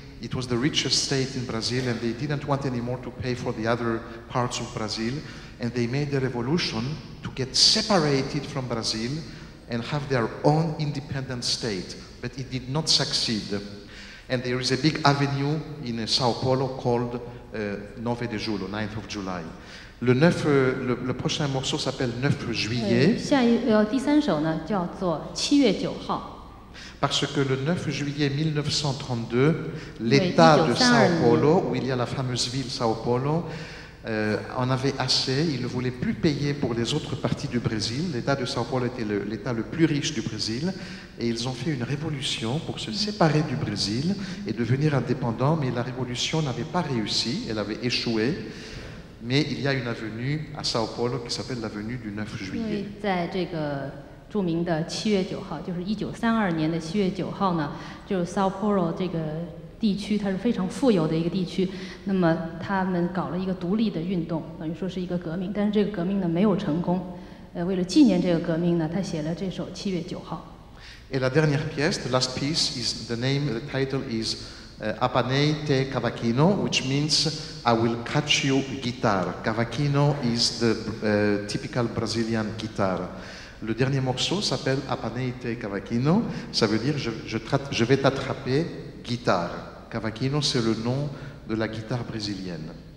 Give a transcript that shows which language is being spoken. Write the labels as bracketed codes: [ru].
[en] It was the richest state in Brazil, and they didn't want anymore to pay for the other parts of Brazil, and they made a revolution to get separated from Brazil and have their own independent state, but it did not succeed. And there is a big avenue in Sao Paulo called Nove de Julho, 9th of July. [fr] Le 9, le prochain morceau s'appelle 9 juillet. [zh] 第三首呢叫做七月九号。 [fr] Parce que le 9 juillet 1932, l'État de Sao Paulo, où il y a la fameuse ville Sao Paulo, en avait assez. Il ne voulait plus payer pour les autres parties du Brésil. L'État de Sao Paulo était l'État le plus riche du Brésil. Et ils ont fait une révolution pour se séparer du Brésil et devenir indépendants. Mais la révolution n'avait pas réussi, elle avait échoué. Mais il y a une avenue à Sao Paulo qui s'appelle l'avenue du 9 juillet. [zh] 因为在这个著名的7月9号，就是1932年的7月9号呢，就是 Sao Paulo 这个地区，它是非常富有的一个地区。那么他们搞了一个独立的运动，等于说是一个革命。但是这个革命呢没有成功。为了纪念这个革命呢，他写了这首7月9号。 [fr] Et la dernière pièce, [en] the last piece, is the name, the title is Apanei te cavaquinho, which means I will catch you guitar. Cavaquinho is the typical Brazilian guitar. [fr] Le dernier morceau s'appelle Apanei te cavaquinho, ça veut dire je vais t'attraper guitar. Cavaquinho, c'est le nom de la guitare brésilienne.